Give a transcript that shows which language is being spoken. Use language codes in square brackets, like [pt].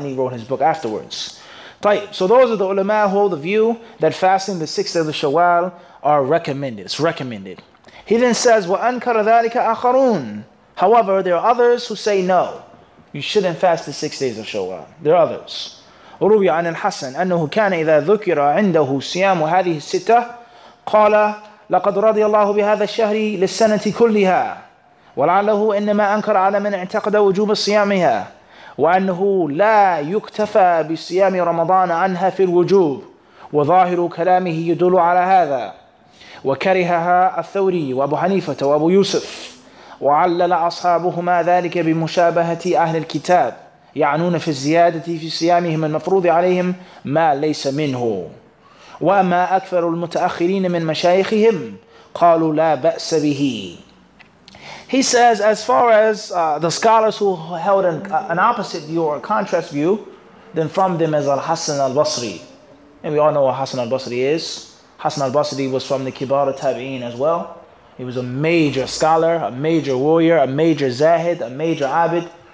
[en] And he wrote his book afterwards. Right, so those are the ulama who hold the view that fasting the 6 days of Shawwal are recommended. It's recommended. He then says, [ar] وَأَنْكَرَ ذَٰلِكَ أَخَرُونَ. [en] However, there are others who say no. You shouldn't fast the 6 days of Shawwal. There are others. [ar] رُوِيَ عَنِ الْحَسَنِ أَنَّهُ كَانَ إِذَا ذُكِرَ عِنْدَهُ سِيَامُ هَذِهِ السِّتَّةِ قَالَ لَقَدْ رَضِيَ اللَّهُ بِهَذَا الشَّهْرِ لِلسَّنَةِ كُلِّهَا وَلَعَلَّهُ إِنَّمَا أَنْكَرَ عَلَى مَنْ اعْتَقَدَ وُجُوبَ صِيَامِهَا وأنه لا يكتفى بصيام رمضان عنها في الوجوب وظاهر كلامه يدل على هذا وكرهها الثوري وأبو حنيفة وأبو يوسف وعلل أصحابهما ذلك بمشابهة أهل الكتاب يعنون في الزيادة في صيامهم المفروض عليهم ما ليس منه وما أكثر المتأخرين من مشايخهم قالوا لا بأس به. [en] He says, as far as the scholars who held an opposite view or a contrast view, then from them is Al-Hassan Al-Basri. And we all know what Hassan Al-Basri is. Hassan Al-Basri was from the Kibar al-Tabi'een as well. He was a major scholar, a major warrior, a major zahid, a major abid.